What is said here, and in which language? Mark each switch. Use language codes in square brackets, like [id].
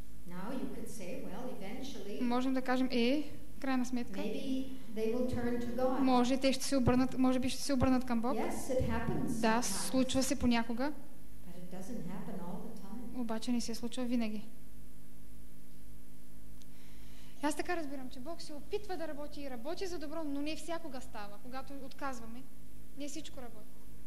[en] Now you could say, well, eventually, [bg] можем да кажем, крайна сметка, [en] maybe they will turn to God. [bg] Може, те ще се обърнат, може би ще се обърнат към Бог. [en] Yes, it happens. [bg] Да, случва се понякога, [en] but it doesn't happen all the time. [bg] Обаче не се случва винаги. Аз така разбирам, че Бог се опитва да работи и работи за добро, но не всякога става. Когато отказваме, не всичко работи.